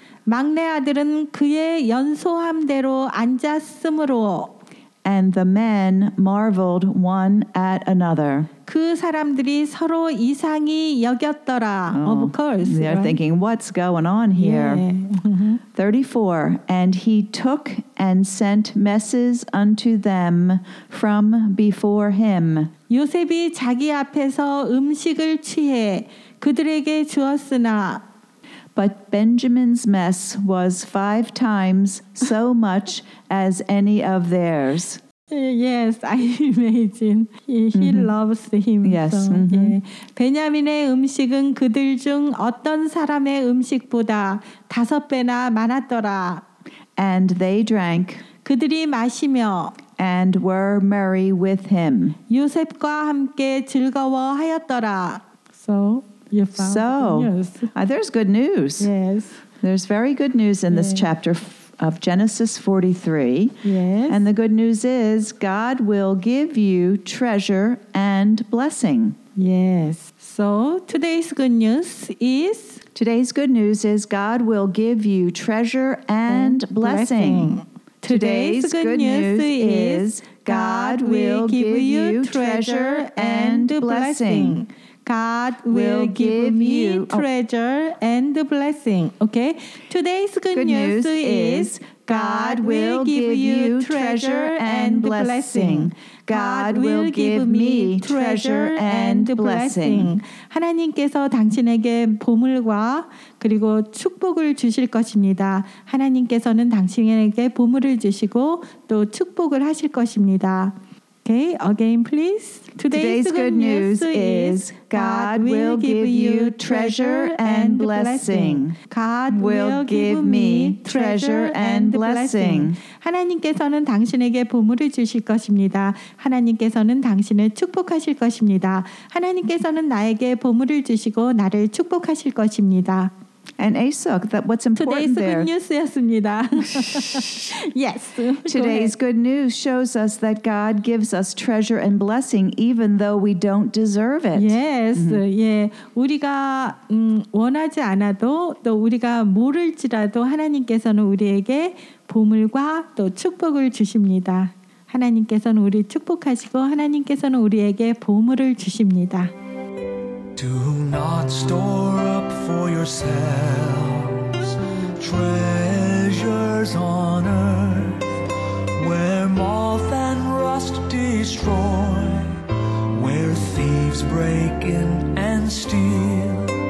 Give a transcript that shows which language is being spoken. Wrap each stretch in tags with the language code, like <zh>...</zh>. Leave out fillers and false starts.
<ko>막내 아들은 그의 연소함대로 앉았으므로.</ko> <en>And the men marveled one at another.</en> <ko>그 사람들이 서로 이상히 여겼더라.</ko> <en>Oh, of course. They're right? thinking, what's going on here? Yeah. 34. And he took and sent messes unto them from before him.</en> <ko>요셉이 자기 앞에서 음식을 취해 그들에게 주었으나.</ko> <en>But Benjamin's mess was five times so much as any of theirs. Yes, I imagine. He mm-hmm. loves him. Yes. So, mm-hmm. yeah.</en> <ko>베냐민의 음식은 그들 중 어떤 사람의 음식보다 다섯 배나 많았더라.</ko> <en>And they drank.</en> <ko>그들이 마시며.</ko> <en>And were merry with him.</en> <ko>요셉과 함께 즐거워하였더라.</ko> <en>So, you found so, news. There's good news. Yes. There's very good news in this chapter of Genesis 43. Yes. And the good news is God will give you treasure and blessing. Yes. So today's good news is? Today's good news is God will give you treasure and blessing. Today's good news is God will give you treasure and blessing. God will give you treasure and blessing. Okay. Today's good news is God will give you treasure and blessing. God will give me treasure and blessing.</en> <ko>하나님께서 당신에게 보물과 그리고 축복을 주실 것입니다. 하나님께서는 당신에게 보물을 주시고 또 축복을 하실 것입니다.</ko> <en>Okay, again, please. Today's good news is God will give you treasure and blessing. God will give me treasure and blessing.</en> <ko>하나님께서는 당신에게 보물을 주실 것입니다. 하나님께서는 당신을 축복하실 것입니다. 하나님께서는 나에게 보물을 주시고 나를 축복하실 것입니다.</ko> <en>And Asuk, that what's important there. Today's good news,</en> <ko>였습니다.</ko> <en>yes. Today's good news shows us that God gives us treasure and blessing even though we don't deserve it. Yes. Mm-hmm. Yeah.</en> <ko>우리가 원하지 않아도 또 우리가 모를지라도 하나님께서는 우리에게 보물과 또 축복을 주십니다. 하나님께서는 우리 축복하시고 하나님께서는 우리에게 보물을 주십니다.</ko> <en>Do not store up for yourselves treasures on earth, where moth and rust destroy, where thieves break in and steal.</en>